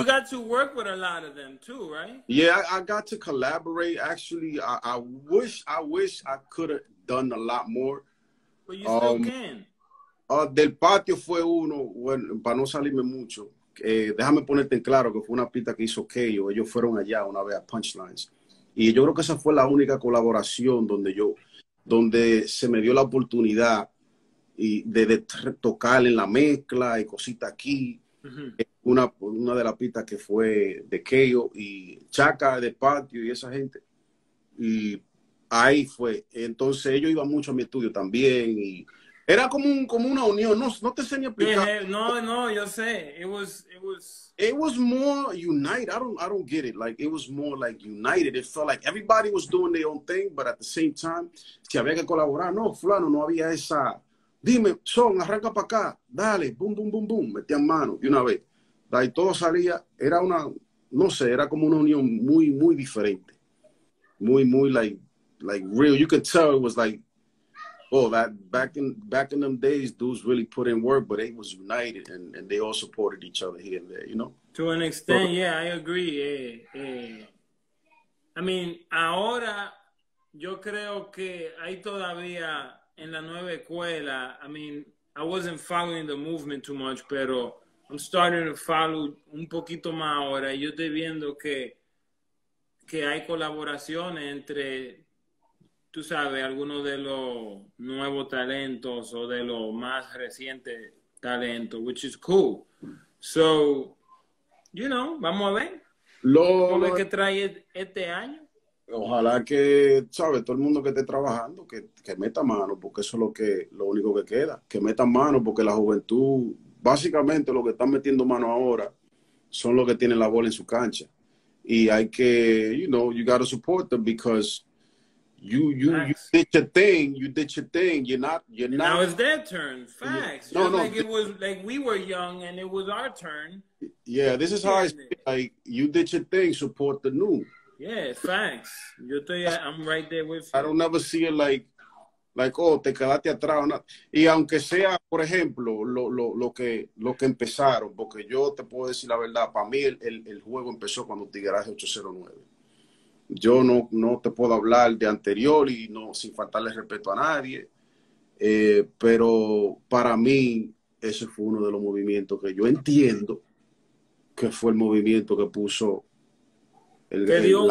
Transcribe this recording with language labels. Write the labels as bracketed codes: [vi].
[en] you got to work with a lot of them too, right? Yeah, I got to collaborate. Actually, I wish I could have done a lot more. But you still can. [es] Del patio fue uno, bueno, para no salirme mucho. Déjame ponerte en claro que fue una pista que hizo Keyo. Ellos fueron allá una vez a Punchlines. Y yo creo que esa fue la única colaboración donde se me dio la oportunidad y de tocar en la mezcla y cosita aquí. Una de las pistas que fue de Keyo y Chaka de Patio y esa gente. Y Ahí fue. Entonces ellos iban mucho a mi estudio también y era como un, como una unión. No, no te sé ni explicar. No, no, yo sé. [en] It was more united. I don't get it. Like it was more like united. It felt like everybody was doing their own thing, but at the same time, [es] si había que colaborar, no, fulano, no había esa. Dime, son, arranca para acá, dale, boom, boom, boom, boom, metían mano y una vez. Y todo salía, era una, no sé, era como una unión muy, muy diferente. Muy, muy, [en] like real. You could tell it was like, oh, that back in them days, dudes really put in work, but it was united and they all supported each other here and there, you know? To an extent, so, yeah, I agree. I mean, [es] ahora, yo creo que hay todavía en la nueva escuela, [en] I mean, I wasn't following the movement too much, [es] pero [en] I'm starting to follow [es] un poquito más ahora. Yo estoy viendo que hay colaboraciones entre, tú sabes, algunos de los nuevos talentos o de los más recientes talentos, [en] which is cool. So, you know, [es] vamos a ver. Vamos a ver qué trae este año. Ojalá que, sabes, todo el mundo que esté trabajando, que meta mano, porque eso es lo único que queda. Que meta mano, porque la juventud, básicamente lo que están metiendo mano ahora son los que tienen la bola en su cancha. Y hay que, [en] you know, you got to support them because you did your thing. You're not. Now it's their turn. Facts. No, just no. Like it was like we were young and it was our turn. Yeah, this is how I speak. Like, you did your thing, support the new. Yeah, facts. [es] Yo estoy, [en] I'm right there with you. I don't ever see it like, oh, [es] te quedaste atrás o nada. Y aunque sea, por ejemplo, lo que empezaron, porque yo te puedo decir la verdad, para mí el juego empezó cuando Tigueraje 809. Yo no te puedo hablar de anterior y no sin faltarle respeto a nadie, pero para mí ese fue uno de los movimientos que yo entiendo que fue el movimiento que puso el